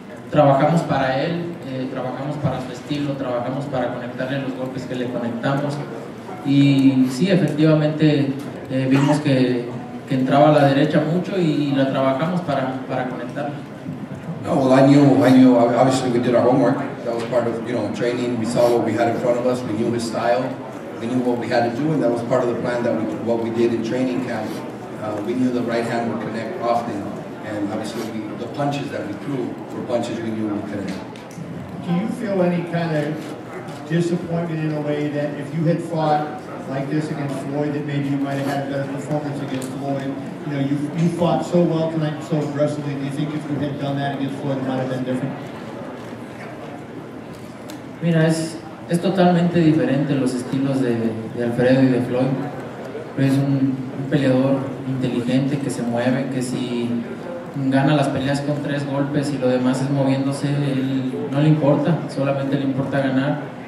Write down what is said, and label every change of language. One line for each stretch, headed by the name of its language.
Spanish: Trabajamos para él, trabajamos para su estilo, trabajamos para conectarle los golpes que le conectamos. Y sí, efectivamente, vimos que entraba a la derecha mucho y la trabajamos para conectarla.
English: No, well, I knew, obviously we did our homework. That was part of, you know, training. We saw what we had in front of us, we knew his style. We knew what we had to do, and that was part of the plan that what we did in training camp. We knew the right hand would connect often, and obviously the punches that we threw were punches we knew would connect. Do you feel any kind of disappointment in a way that if you had fought like this against Floyd, that maybe you might have had a better performance against Floyd? You know, you fought so well tonight and so aggressively. Do you think if you had done that against Floyd, it might have been different?
Spanish: Mira, es totalmente diferente los estilos de Alfredo y de Floyd. Es un peleador inteligente que se mueve, que si gana las peleas con tres golpes y lo demás es moviéndose, él no le importa, solamente le importa ganar.